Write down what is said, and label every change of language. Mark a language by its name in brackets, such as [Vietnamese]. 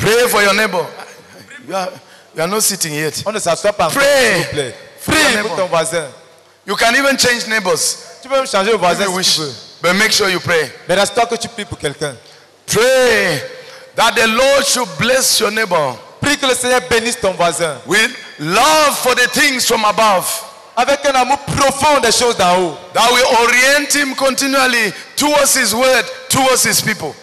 [English] for your neighbor. You are not sitting yet. Pray. Pray. You can even change neighbors. [French] Tu peux changer vos voisins, [English] wish, but make sure you pray. [French] Mais reste-toi que tu pries pour quelqu'un. [English] Pray that the Lord should bless your neighbor. [French] Prie que le Seigneur bénisse ton voisin. [English] With love for the things from above. [French] Avec un amour profond des choses d'en haut. [English] That will orient him continually towards his word, towards his people.